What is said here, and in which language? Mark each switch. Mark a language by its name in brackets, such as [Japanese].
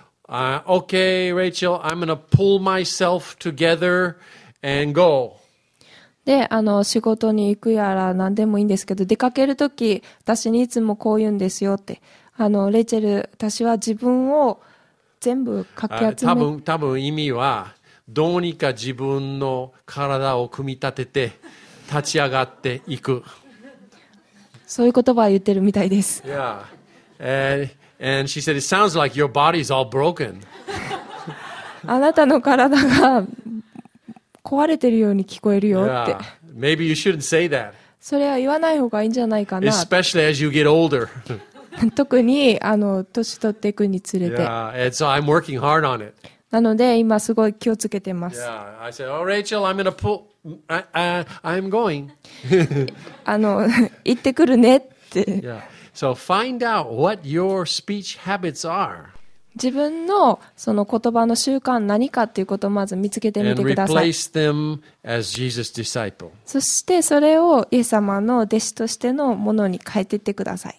[English] Okay, Rachel, I'm gonna pull myself together and go. [Japanese] で、仕事に行くやら何でもいいんですけど、出かけるとき、私にいつもこう言うんですよって。レイチェル、私は自分を全部かき集め。多分意味は、どうにか自分の体を組み立てて、立ち上がっていく。そういう言葉は言ってるみたいです。 [English] Yeah. And she said, "It sounds like your body's all broken." [Japanese] あなたの体が壊れてるように聞こえるよって。 [English] Yeah. Maybe you shouldn't say that. [Japanese] それは言わない方がいいんじゃないかな。 [English] Especially as you get older. [Japanese] 特に年取っていくにつれて。 [English] Yeah. And so I'm working hard on it. [Japanese] なので今すごい気をつけてます。 [English] Yeah. I said, "Oh, Rachel, I'm gonna pull. I'm going." [Japanese] 行ってくるねって。 [English] Yeah. So find out what your speech habits are. [Japanese] 自分のその言葉の習慣何かっていうことをまず見つけてみてください。 [English] And replace them as Jesus' disciple. [Japanese] そしてそれをイエス様の弟子としてのものに変えていってください。